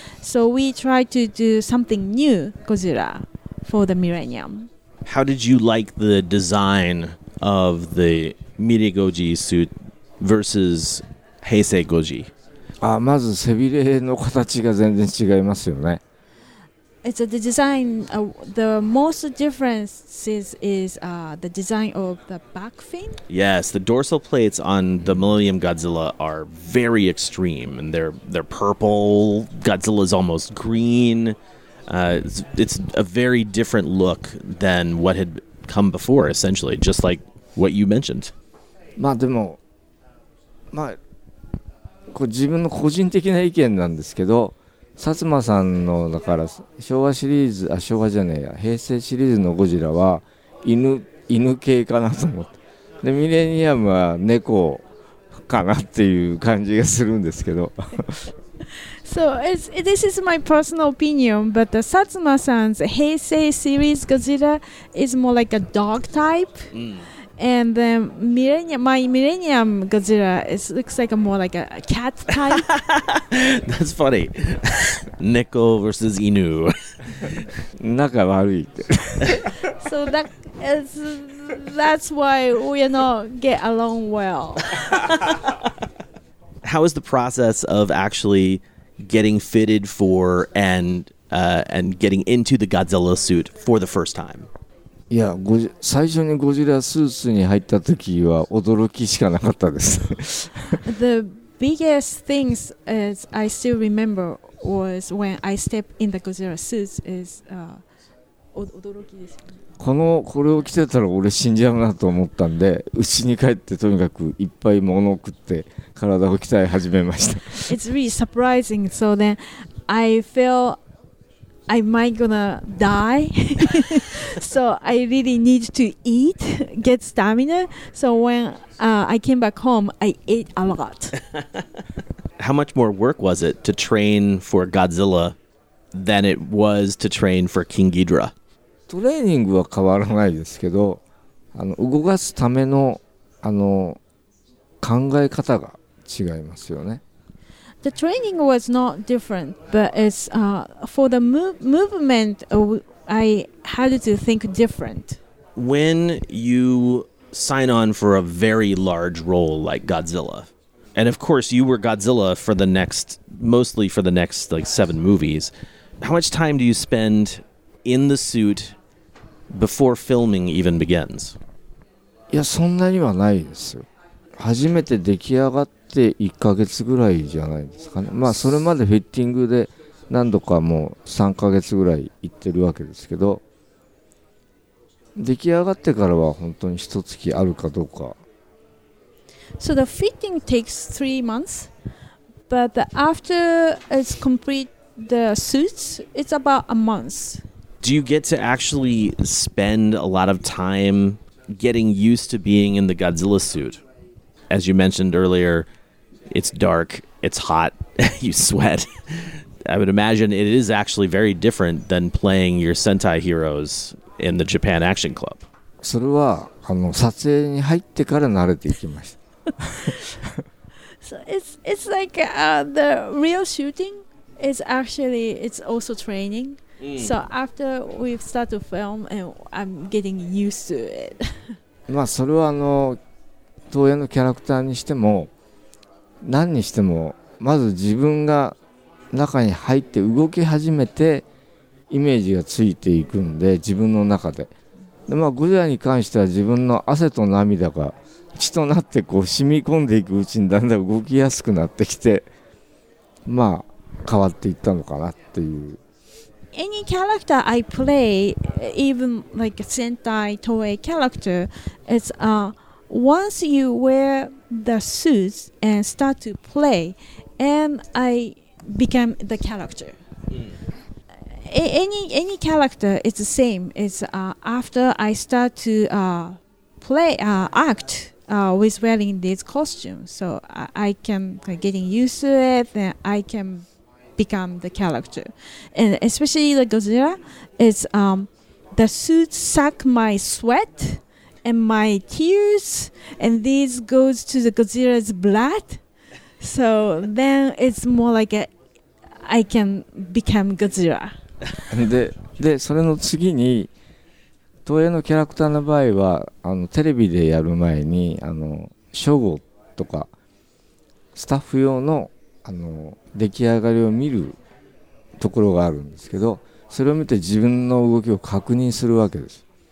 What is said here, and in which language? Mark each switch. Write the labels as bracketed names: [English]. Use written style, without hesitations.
[English] So we tried to do something new Godzilla for the millennium. How did you like the design of the Mirigoji suit versus Heisei Goji? [Japanese] あ、まず背びれの形が全然違いますよね。 [English] It's the design. The most difference is the design of the back fin. Yes, the dorsal plates on the Millennium Godzilla are very extreme, and they're purple. Godzilla is almost green. It's a very different look than what had come before. Essentially, just like what you mentioned. [Japanese] まあでも、まあ。こう自分の個人的な意見なんですけど、薩摩さんのだから昭和シリーズ、あ、昭和じゃねえや、平成シリーズのゴジラは犬系かなと思って、でミレニアムは猫かなっていう感じがするんですけど。 [English] So this is my personal opinion, but the Satsuma-san's Heisei series Godzilla is more like a dog type. And then my Millennium Godzilla looks like more like a cat type. That's funny. Neko versus Inu. [Japanese] 仲悪いって。 [English] So that's why we not get along well. How is the process of actually getting fitted for and getting into the Godzilla suit for the first time? [Japanese] いや、最初にゴジラスーツに入った時は驚きしかなかったです。 [English] The biggest things is I still remember was when I stepped in the Godzilla suits is [Japanese] 驚きです。これを着てたら俺死んじゃうなと思ったんで、家に帰ってとにかくいっぱい物を食って体を鍛え始めました。 [English] It's really surprising. So then I felt I might gonna die. So I really need to eat, get stamina. So when I came back home, I ate a lot. How much more work was it to train for Godzilla than it was to train for King Ghidorah? [Japanese] トレーニングは変わらないですけど、動かすための考え方が違いますよね。 [English] The training was not different, but it's for the movement, I had to think different. When you sign on for a very large role like Godzilla, and of course you were Godzilla mostly for the next like 7 movies, how much time do you spend in the suit before filming even begins? [Japanese] いや、そんなにはないですよ。初めて出来上がった1ヶ月ぐらいじゃないですかね。まあそれまでフィッティングで何度かもう3ヶ月ぐらい行ってるわけですけど、出来上がってからは本当に一月あるかどうか。 [English] So the fitting takes 3 months, but after it's complete the suits, it's about a month. Do you get to actually spend a lot of time getting used to being in the Godzilla suit? As you mentioned earlierIt's dark, it's hot, you sweat. I would imagine it is actually very different than playing your Sentai heroes in the Japan Action Club. [Japanese] それは撮影に入ってから慣れていきました。 [English] So it's like the real shooting is actually it's also training. So after we've started to film and I'm getting used to it. [Japanese] まあそれは東映のキャラクターにしても何にしてもまず自分が中に入って動き始めてイメージがついていくんで、自分の中で、でまあゴジラに関しては自分の汗と涙が血となってこう染み込んでいくうちにだんだん動きやすくなってきて、まあ変わっていったのかなっていう。 [English] Any character I play, even like Sentai Toei character, it's once you wear the suits and start to play, and I became the character. any character is the same. It's after I start to act with wearing this costume, so I can getting used to it, then I can become the character. And especially the Godzilla, it's the suit suck my sweat and my tears, and this goes to the Godzilla's blood. So then it's more like I can become Godzilla. [Japanese] で、それの次に東映のキャラクターの場合はテレビでやる前に初号とかスタッフ用の出来上がりを見るところがあるんですけど、それを見て自分の動きを確認するわけです。